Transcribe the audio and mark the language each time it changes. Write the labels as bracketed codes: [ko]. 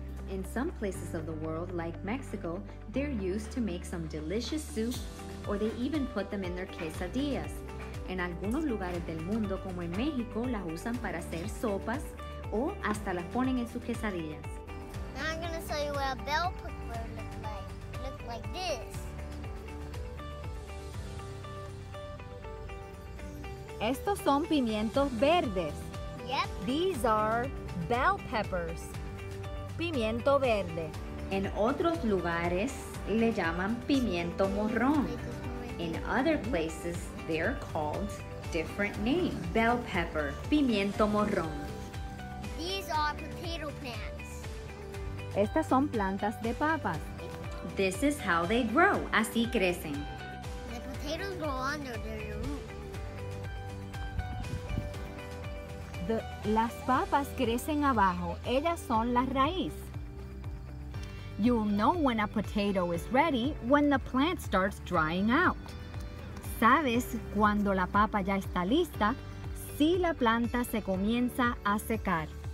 [en] In some places of the world, like Mexico, they're used to make some delicious soup, or they even put them in their quesadillas. [es] En algunos lugares del mundo, como en México, las usan para hacer sopas, o hasta las ponen en sus quesadillas. [en] Now I'm gonna show you bell pepper look like? Look like this. [es] Estos son pimientos verdes. [en] Yep. These are bell peppers. [es] Pimiento verde. En otros lugares le llaman pimiento morrón. [en] In other places, they're called different name. Bell pepper, [es] pimiento morrón. [en] These are potato plants. [es] Estas son plantas de papas. [en] This is how they grow. [es] Así crecen. [en] The potatoes grow under the root. [es] Las papas crecen abajo. Ellas son la raíz. [en] You'll know when a potato is ready when the plant starts drying out. [es] Sabes cuando la papa ya está lista si la planta se comienza a secar.